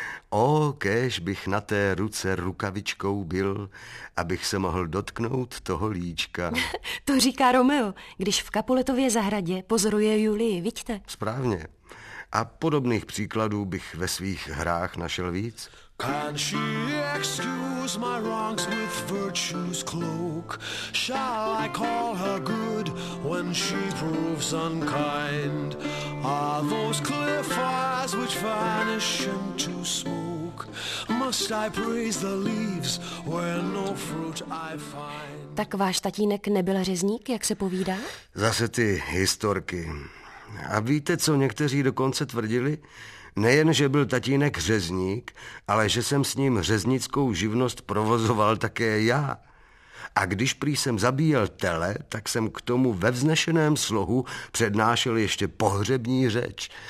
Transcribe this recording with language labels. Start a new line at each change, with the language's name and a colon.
Czech: O, kéž bych na té ruce rukavičkou byl, abych se mohl dotknout toho líčka. To říká Romeo, když v Capuletově zahradě pozoruje Julii, vidíte? Správně. A podobných příkladů bych ve svých hrách našel víc.
English: Can she excuse my wrongs with virtue's cloak? Shall I call her good when she proves unkind? Are those clear fires which vanish into smoke? Must I praise the leaves where no fruit I find?
Czech: Tak váš tatínek nebyl řezník, jak se povídá? Zase ty historky. A víte, co někteří dokonce tvrdili? Nejen, že byl tatínek řezník, ale že jsem s ním řeznickou živnost provozoval také já. A když prý jsem zabíjel tele, tak jsem k tomu ve vznešeném slohu přednášel ještě pohřební řeč.